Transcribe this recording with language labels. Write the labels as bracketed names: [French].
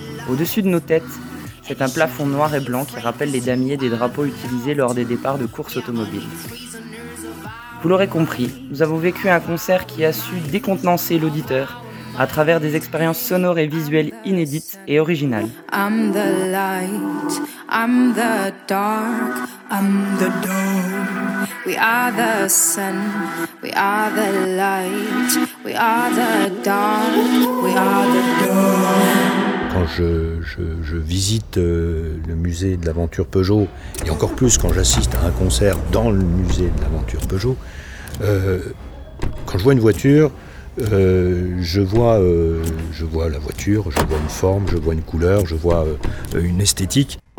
[French] Au-dessus de nos têtes, c'est un plafond noir et blanc qui rappelle les damiers des drapeaux utilisés lors des départs de courses automobiles. Vous l'aurez compris, nous avons vécu un concert qui a su décontenancer l'auditeur à travers des expériences sonores et visuelles inédites et originales. [English] I'm the light, I'm the dark, I'm the dawn. We are the sun, we are the light, we are the dark, we are the dawn. [French] Quand je visite le musée de l'aventure Peugeot, et encore plus quand j'assiste à un concert dans le musée de l'aventure Peugeot, quand je vois une voiture, je vois la voiture, je vois une forme, je vois une couleur, je vois une esthétique.